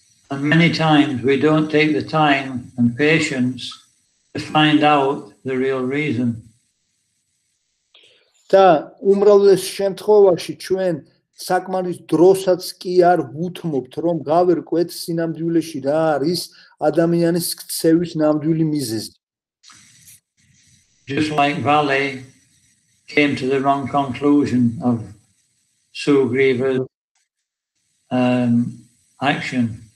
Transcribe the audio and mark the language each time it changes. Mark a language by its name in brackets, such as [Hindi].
[English] And many times we don't take the time and patience to find out the real reason. [Georgian] და უმრავლეს შემთხვევაში ჩვენ საკმარის დროსაც კი არ გუთმობთ, რომ გავერკვეთ სინამდვილეში რა არის ადამიანის ქცევის ნამდვილი მიზეზი. [English] Just like Vale came to the wrong conclusion of Sugriva's action.